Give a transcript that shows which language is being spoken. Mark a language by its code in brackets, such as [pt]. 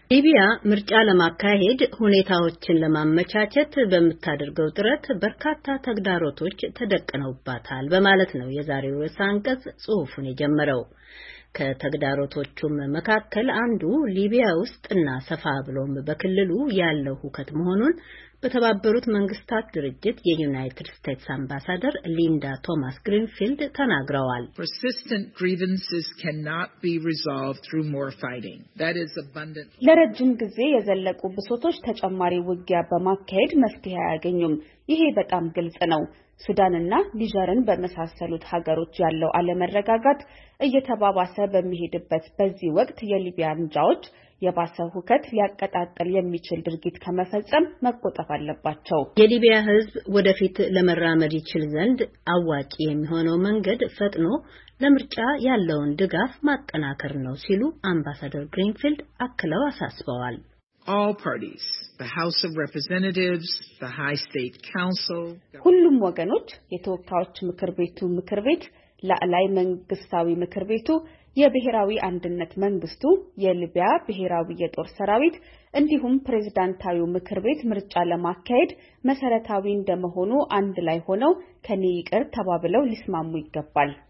[am] ሊቢያ ምርጫ ለማካሄድ ሁኔታዎችን ለማመቻቸት በምታደርገው ጥረት በርካታ ተግዳሮቶች ተደቅነውባታል በማለት ነው የዛሬው ርዕሰ አንቀጽ ጽሑፉን የጀመረው። ከተግዳሮቶቹም መካከል አንዱ ሊቢያ ውስጥና ሰፋ ብሎም በክልሉ ያለው ሁከት መሆኑን በተባበሩት መንግስታት ድርጅት የዩናይትድ ስቴትስ አምባሳደር ሊንዳ ቶማስ ግሪንፊልድ ተናግረዋል። [en] Persistent grievances cannot be resolved through more fighting. That is abundant. [am] ለረጅም ጊዜ የዘለቁ ብሶቶች ተጨማሪ ውጊያ በማካሄድ መፍትሄ አያገኙም። ይሄ በጣም ግልጽ ነው። ሱዳንና ሊጀርን በመሳሰሉት ሀገሮች ያለው አለመረጋጋት እየተባባሰ በሚሄድበት በዚህ ወቅት የሊቢያን ጃዎች የባሰ ሁከት ሊያቀጣጥል የሚችል ድርጊት ከመፈጸም መቆጠብ አለባቸው። የሊቢያ ህዝብ ወደፊት ለመራመድ ይችል ዘንድ አዋጭ የሚሆነው መንገድ ፈጥኖ ለምርጫ ያለውን ድጋፍ ማጠናከር ነው ሲሉ አምባሳደር ግሪንፊልድ አክለው አሳስበዋል። [en] All parties, the House of Representatives, the High State Council. [am] ሁሉም ወገኖች የተወካዮች ምክር ቤት ለዓላይ መንግስታዊ ምክር ቤቱ የብሔራዊ አንድነት መንግስቱ የሊቢያ ብሔራዊ የጦር ሰራዊት እንዲሁም ፕሬዝዳንታዊው ምክር ቤት ምርጫ ለማካሄድ መሰረታዊ እንደመሆኑ አንድ ላይ ሆነው ከኔ ይቅር ተባብለው ሊስማሙ ይገባል።